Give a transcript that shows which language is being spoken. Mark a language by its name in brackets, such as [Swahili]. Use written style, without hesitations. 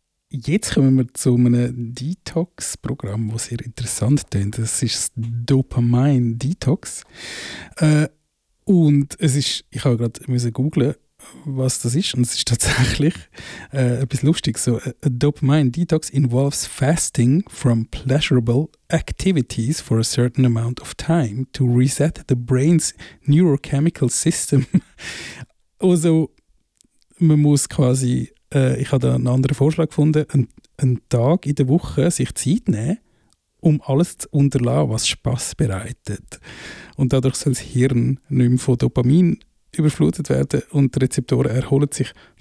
[German] Jetzt kommen wir zu einem Detox-Programm, das sehr interessant klingt. Das ist das Dopamin-Detox. Und es ist, ich habe gerade müssen googlen, was das ist, und es ist tatsächlich etwas lustig. [English] So, a dopamine detox involves fasting from pleasurable activities for a certain amount of time to reset the brain's neurochemical system. [German] Also, man muss quasi, ich habe da einen anderen Vorschlag gefunden, einen Tag in der Woche sich Zeit nehmen, um alles zu unterlassen, was Spass bereitet. Und dadurch soll das Hirn nicht mehr von Dopamin überflutet werden und die Rezeptoren erholen sich.